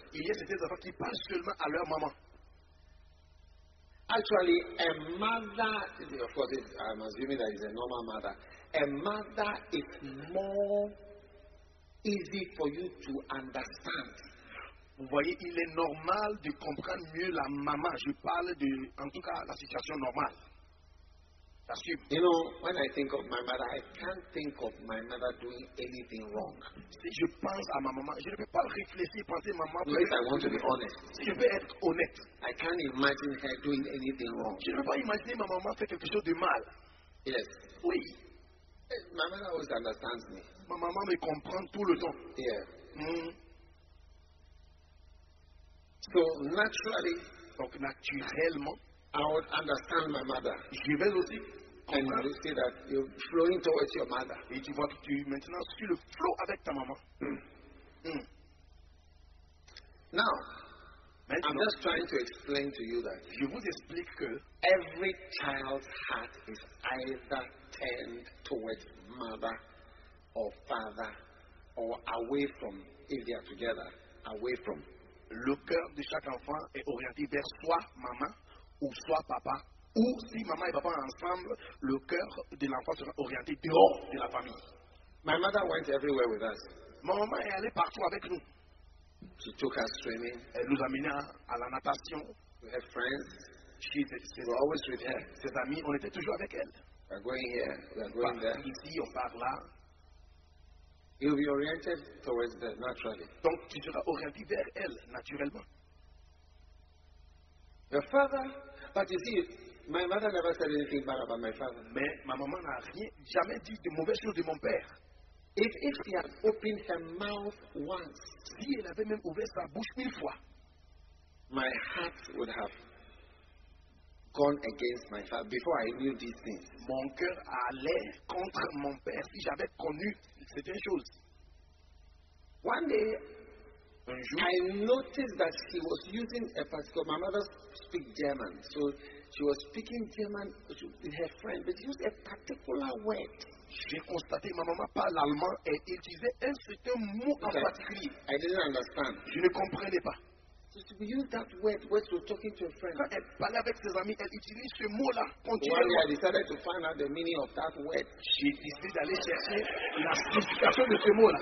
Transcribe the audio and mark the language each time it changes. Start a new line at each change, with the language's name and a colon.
French: Il y a certains enfants qui parlent seulement à leur maman.
English: Actually, a mother, of course, I'm assuming that it's a normal mother. A mother is more easy for you to understand.
French: Vous voyez, il est normal de comprendre mieux la maman. Je parle de, en tout cas, la situation normale. J'assume.
English: You know, when I think of my mother, I can't think of my mother doing anything wrong.
French: Si je pense à ma maman, je ne peux pas réfléchir, penser à ma maman.
English: Unless I want to be honest.
French: Si je veux être honnête.
English: I can't imagine her doing anything wrong.
French: Je ne peux pas imaginer ma maman faire quelque chose de mal.
English: Yes.
French: Oui.
English: My mother always understands me.
French: Ma maman me comprend tout le temps.
English: Yeah. Mm. So naturally,
French: donc naturellement,
English: I would understand my mother.
French: Je vais aussi comprendre.
English: And you see that you're flowing towards your mother.
French: Et tu vois que tu maintenant suis le flow avec ta maman.
English: Mm. Mm. Now,
French: maintenant,
English: I'm just trying to explain to you that
French: je vous explique que
English: every child's heart is either turned towards mother or father or away from, if they are together, away from.
French: Le cœur de chaque enfant est orienté vers soit maman ou soit papa. Ou si maman et papa ensemble, le cœur de l'enfant sera orienté dehors de la famille.
English: My mother went everywhere with us.
French: Ma maman est allée partout avec nous.
English: She took us swimming.
French: Elle nous a mené à la natation.
English: We had friends. She was always with her.
French: Ses amis, on était toujours avec elle.
English: We are going here. We are going there.
French: Ici, on part là.
English: You will be oriented towards the naturally.
French: Donc, tu seras orienté vers elle, naturellement.
English: Your father, but you see, my mother never said anything bad about my father.
French: Mais ma maman n'a rien, jamais dit de mauvaises choses de mon père.
English: If she had opened her mouth once,
French: si elle avait même ouvert sa bouche une fois,
English: my heart would have gone against my father before I knew these things.
French: Mon cœur allait contre mon père si j'avais connu certaines choses.
English: One day, I noticed that he was using a pastor. My mother speaks German, so she was speaking German with her friend, but used a particular word.
French: J'ai constaté ma maman parle allemand et utilisait un certain mot en particulier.
English: I didn't understand.
French: Je ne comprenais pas.
English: So she used that word when she was talking to a friend.
French: Quand elle parlait avec ses amis, elle utilise ce mot-là. Continuellement.
English: One day I decided to find out the meaning of that word.
French: J'ai décidé d'aller chercher la signification de ce mot-là.